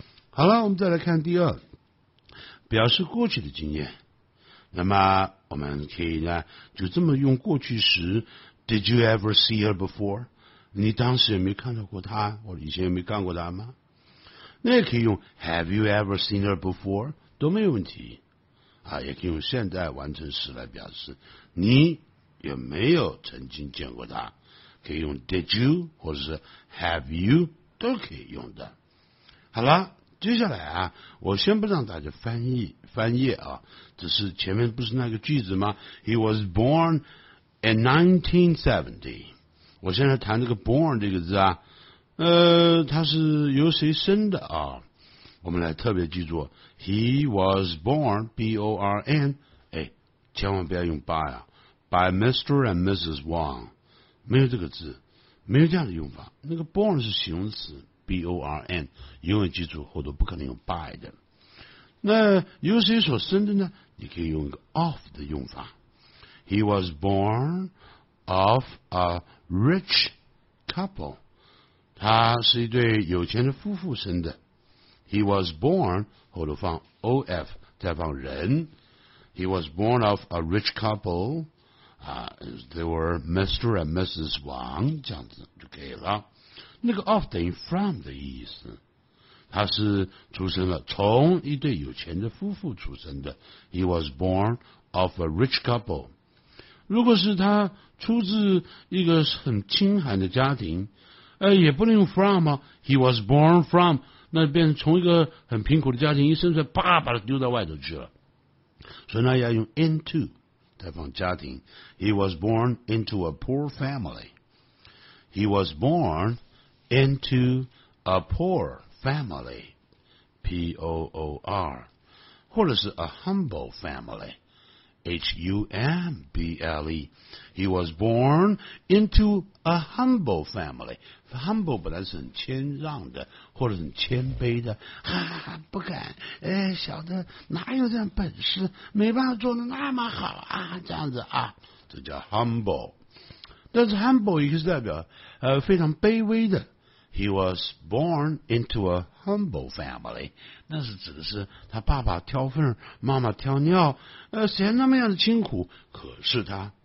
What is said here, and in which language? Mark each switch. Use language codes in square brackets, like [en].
[zh] 好了，我们再来看第2，表示过去的经验。那么我们可以呢就这么用过去时 [en] Did you ever see her before? [zh] 你当时有没有看到过她，或者以前有没有看过她吗？那也可以用 [en] Have you ever seen her before? [zh] 都没有问题啊，也可以用现在完成时来表示你有没有曾经见过她，可以用 [en] Did you [zh] 或者是 [en] Have you [zh] 都可以用的。好了，接下来啊，我先不让大家翻页啊，只是前面不是那个句子吗 ？ [en] He was born in 1970。 [zh] 我现在谈这个 born 这个字啊，他是由谁生的啊？我们来特别记住 ， [en] He was born, B-O-R-N， [zh] 哎，千万不要用 by 啊 ， [en] by Mr. and Mrs. [zh] Wang， 没有这个字，没有这样的用法。那个 born 是形容词 ，B-O-R-N， 永远记住，后头不可能用 by 的。那由谁所生的呢？你可以用一个 of 的用法 ， [en] He was born of a rich couple， [zh] 他是一对有钱的夫妇生的。 [en] He was born, [zh] 后头放 [en] of, [zh] 再放人。 [en] He was born of a rich couple,they were Mr. and Mrs. [zh] Wang, 这样子就可以了。那个 of 等于 from 的意思。他是出生了从一对有钱的夫妇出生的。 [en] He was born of a rich couple. [zh] 如果是他出自一个很清寒的家庭，也不能用 from 啊。 [en] He was born from... [zh] 那变成从一个很贫苦的家庭一生出来，啪把他丢到外头去了。所以呢，要用 into 再放家庭。 [en] He was born into a poor family. He was born into a poor family. P O O R， 或者是 a humble family. H U M B L E. He was born into a humble family. [zh] Humble 本来是很谦让的，或者很谦卑的，哈哈，不敢，哎，小的哪有这样本事，没办法做得那么好啊，这样子啊，这叫 humble。但是 humble 也是代表非常卑微的。 [en] He was born into a humble family， [zh] 那是指的是他爸爸挑粪，妈妈挑尿，谁那么样的辛苦，可是他。